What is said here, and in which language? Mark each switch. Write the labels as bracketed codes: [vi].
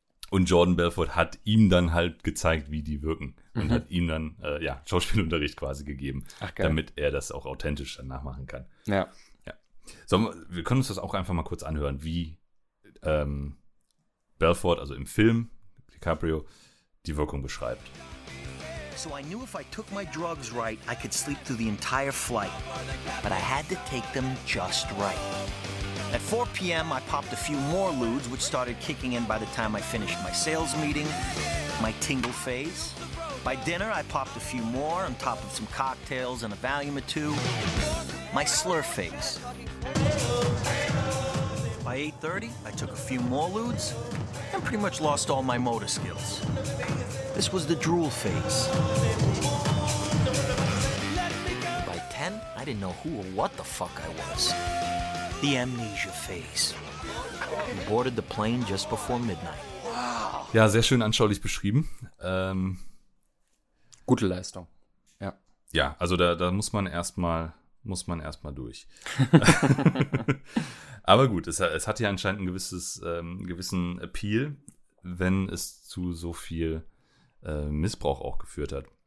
[de] Und Jordan Belfort hat ihm dann halt gezeigt, wie die wirken. Und hat ihm dann Schauspielunterricht quasi gegeben. Ach, geil. Damit er das auch authentisch dann nachmachen kann. Ja. Ja. Wir können uns das auch einfach mal kurz anhören, wie Belfort, also im Film, DiCaprio, die Wirkung beschreibt. [en] So I knew if I took my drugs right, I could sleep through the entire flight. But I had to take them just right. At 4 p.m. I popped a few more ludes, which started kicking in by the time I finished my sales meeting, my tingle phase. By dinner, I popped a few more on top of some cocktails and a Valium or two, my slur phase. By 8:30, I took a few more ludes and pretty much lost all my motor skills. This was the drool phase. By 10, I didn't know who or what the fuck I was. The amnesia phase. We boarded the plane just before midnight. Wow. [de] Ja, sehr schön anschaulich beschrieben. Gute Leistung. Ja. Ja, also da muss man erstmal durch. Aber gut, es hat ja anscheinend ein gewisses gewissen Appeal, wenn es zu so viel Missbrauch auch geführt hat.